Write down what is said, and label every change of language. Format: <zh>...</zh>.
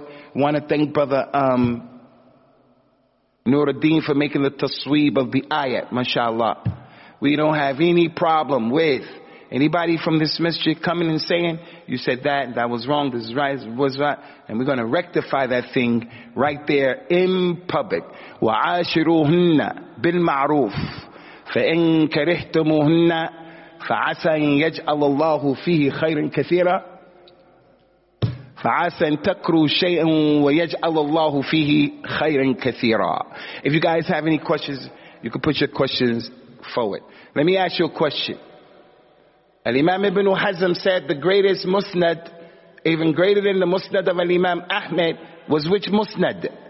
<en>I want to thank Brother Nuruddin for making the tasweeb of the ayat, mashallah. We don't have any problem with anybody from this masjid coming and saying, you said that, that was wrong, this is right, this was right. And we're going to rectify that thing right there in public.</en> <ar>وَعَاشِرُوهُنَّ بِالْمَعْرُوفِ فَإِنْ كَرِهْتُمُهُنَّ فعسى أن يجعل الله فيه خيرا كثيرا فعسى أن تكرو شيئا ويجعل الله فيه خيرا كثيرا.</ar> <en>If you guys have any questions, you can put your questions forward. Let me ask you a question. Al-Imam Ibn Hazm said the greatest musnad, even greater than the musnad of Al-Imam Ahmed, was which musnad?</en>